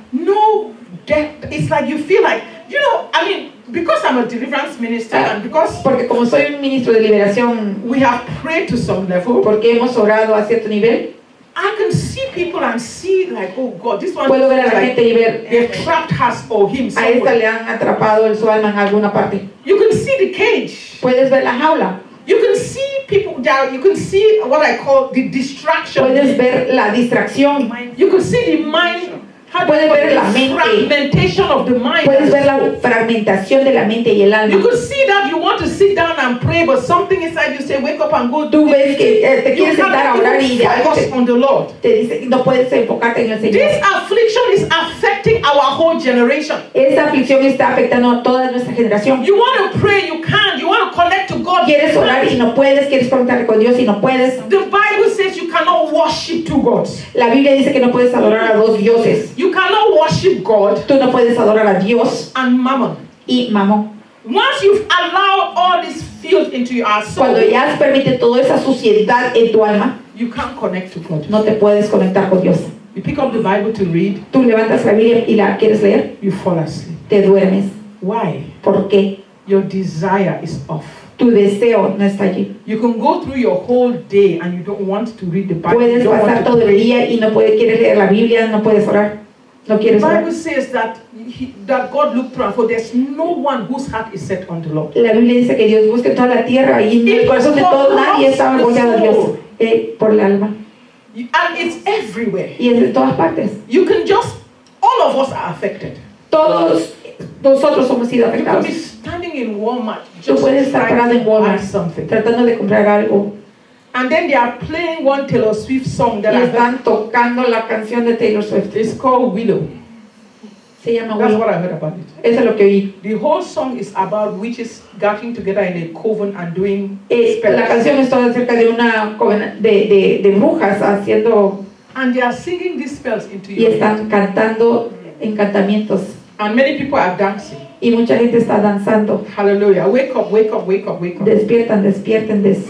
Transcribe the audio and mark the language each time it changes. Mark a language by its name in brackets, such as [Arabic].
[English] No, it's like you feel like, you know, I mean, because I'm a deliverance minister, and because, [Spanish] porque como soy un ministro de liberación, [English] we have prayed to some level, [Spanish] porque hemos orado a cierto nivel. [English] I can see people and see like, oh God, this one. [Spanish] Puedo ver a la gente y ver. [English] They've trapped us or him. [Spanish] A esta le han atrapado su alma en alguna parte. [English] You can see the cage. [Spanish] Puedes ver la jaula. [English] You can see people down. You can see what I call the distraction. [Spanish] Puedes ver la distracción. [English] You can see the mind. [Spanish] Puedes ver la mente. [English] Fragmentation of the mind. [Spanish] Puedes ver la fragmentación de la mente y el alma. [English] You can see that you want to sit down and pray, but something inside you say, wake up and go. [Spanish] Tú ves que te quieres sentar a orar y ya. [English] Focus on the Lord. [Spanish] Te dice, no puedes enfocarte en el Señor. [English] This affliction is affecting our whole generation. [Spanish] Esta aflicción está afectando a toda nuestra generación. [English] You want to pray, you can't. You want to connect to God. [Spanish] Quieres orar y no puedes. Quieres conectar con Dios y no puedes. [English] The Bible says you cannot worship two gods. [Spanish] La Biblia dice que no puedes adorar a dos dioses. [English] You cannot worship God. [Spanish] Tú no puedes adorar a Dios. [English] And mammon. [Spanish] Y mammon. [English] Once you've allowed all this filth into your soul. [Spanish] Cuando ya has permitido toda esa suciedad en tu alma. [English] You can't connect to God. [Spanish] No te puedes conectar con Dios. [English] You pick up the Bible to read. [Spanish] Tú levantas la Biblia y la quieres leer. [English] You fall asleep. [Spanish] Te duermes. [English] Why? [Spanish] ¿Por qué? [English] Your desire is off. [Spanish] Tu deseo no está allí. [English] You can go through your whole day and you don't want to read the Bible. [Spanish] Puedes pasar todo el día y no puedes, quieres leer la Biblia, no puedes orar. No quieres orar. [English] The Bible says that that God looked through and for there's no one whose heart is set on the Lord. [Spanish] La Biblia dice que Dios busca toda la tierra y en el corazón de todos nadie estaba volcado a Dios por el alma. [English] And it's everywhere. [Spanish] Y es de todas partes. [English] You can just, all of us are affected. [Spanish] Todos nosotros hemos sido afectados. [English] You can be standing in Walmart, [Spanish] tú puedes estar parado en Walmart [English] something, [Spanish] tratando de comprar algo. [English] And then they are playing one Taylor Swift song that [Spanish] y están tocando la canción de Taylor Swift. [English] It's called Willow. [Spanish] Se llama [English] That's Willow. What I heard about it. [Spanish] Eso es lo que oí. [English] The whole song is about witches getting together in a coven and doing spells. [Spanish] La canción es toda acerca de una coven de brujas haciendo. [English] And they are singing these spells into [Spanish] y están [English] head. [Spanish] Cantando encantamientos. [English] And many people are dancing. [Spanish] Y mucha gente está danzando. [English] Hallelujah. Wake up, wake up, wake up, wake up. [Spanish] Despiertan, despierten, despierten.